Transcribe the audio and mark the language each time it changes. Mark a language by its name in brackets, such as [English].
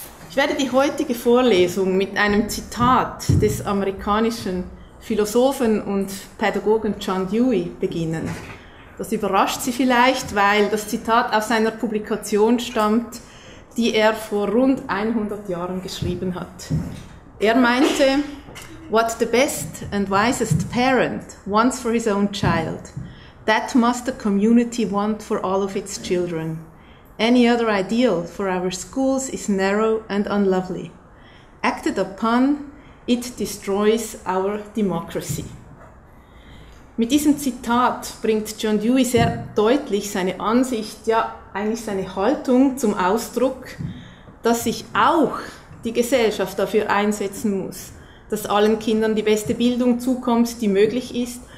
[German] Ich werde die heutige Vorlesung mit einem Zitat des amerikanischen Philosophen und Pädagogen John Dewey beginnen. Das überrascht Sie vielleicht, weil das Zitat aus seiner Publikation stammt, die er vor rund 100 Jahren geschrieben hat. [English] Er meinte, "What the best and wisest parent wants for his own child, that must the community want for all of its children. Any other ideal for our schools is narrow and unlovely. Acted upon, it destroys our democracy." [German] Mit diesem Zitat bringt John Dewey sehr deutlich seine Ansicht, ja eigentlich seine Haltung zum Ausdruck, dass sich auch die Gesellschaft dafür einsetzen muss, dass allen Kindern die beste Bildung zukommt, die möglich ist.